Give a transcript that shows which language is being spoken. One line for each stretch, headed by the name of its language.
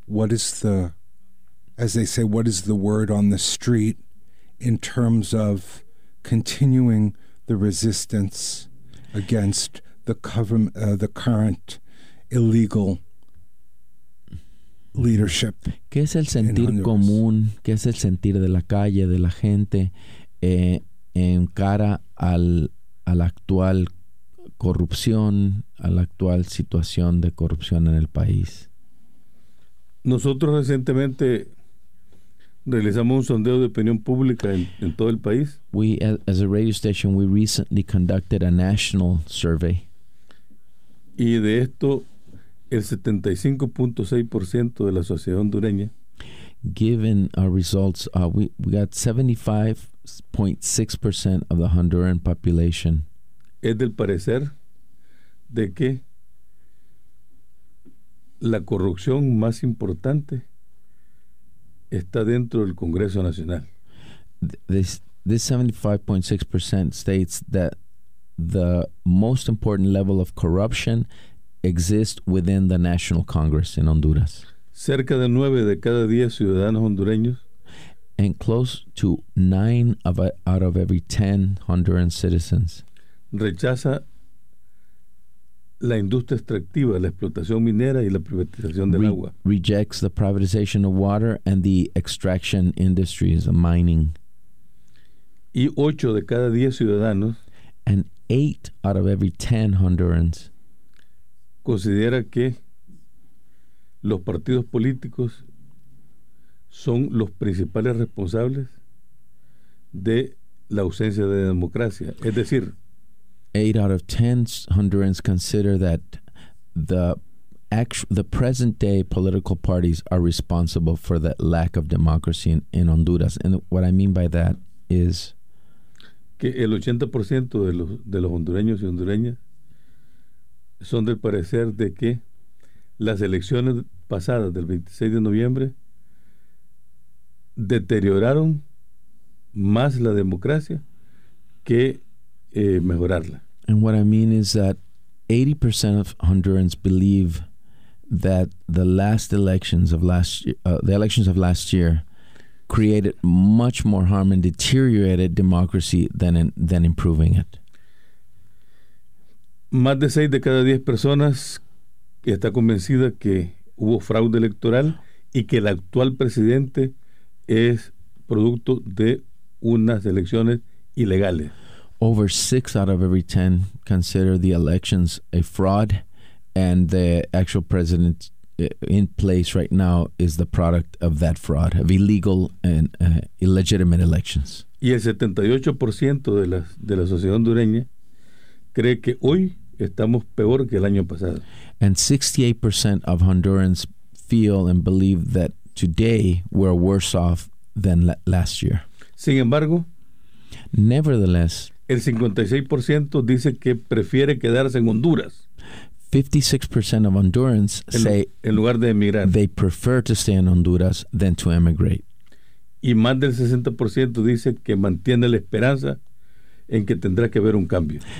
English: What is the, as they say, what is the word on the street in terms of continuing the resistance against the current illegal leadership?
Spanish: ¿Qué es el sentir común? ¿Qué es el sentir de la calle, de la gente, en cara al actual corrupción, a la actual situación de corrupción en el país? Nosotros recientemente realizamos un sondeo de opinión pública en todo el país.
English: We, as a radio station, we recently conducted a national survey.
Spanish: Y de esto, el 75.6% de la sociedad hondureña.
English: Given our results, we got 75.6% of the Honduran population.
Spanish: Es del parecer de que la corrupción más importante está dentro del Congreso Nacional.
English: This 75.6% states that the most important level of corruption exists within the National Congress in Honduras.
Spanish: Cerca de 9 de cada 10 ciudadanos hondureños.
English: And close to 9 out of every 10 Honduran citizens.
Spanish: Rechaza la industria extractiva, la explotación minera y la privatización del agua.
English: Rejects the privatization of water and the extraction industries, the mining.
Spanish: Y 8 de cada 10 ciudadanos.
English: And 8 out of every 10 Hondurans.
Spanish: Considera que los partidos políticos son los principales responsables de la ausencia de democracia. Es decir,
English: 8 out of 10 Hondurans consider that the present day political parties are responsible for that lack of democracy in Honduras. And what I mean by that is
Spanish: que el 80% de los hondureños y hondureñas son del parecer de que las elecciones pasadas del 26 de noviembre deterioraron más la democracia que mejorarla.
English: And what I mean is that 80% of Hondurans believe that the last elections of last year created much more harm and deteriorated democracy than improving it.
Spanish: Más de 6 de cada 10 personas está convencida que hubo fraude electoral y que el actual presidente es producto de unas elecciones ilegales.
English: Over 6 out of every 10 consider the elections a fraud, and the actual president in place right now is the product of that fraud, of illegal and illegitimate elections.
Spanish: Y el 78% de la sociedad hondureña cree que hoy estamos peor que el año pasado.
English: And 68% of Hondurans feel and believe that today we're worse off than last year.
Spanish: Sin embargo,
English: nevertheless,
Spanish: el 56% dice que prefiere quedarse en Honduras.
English: 56% of Hondurans say
Spanish: en lugar de emigrar,
English: they prefer to stay in Honduras than to emigrate.
Spanish: Y más del 60% dice que mantiene la esperanza en que tendrá que haber un cambio.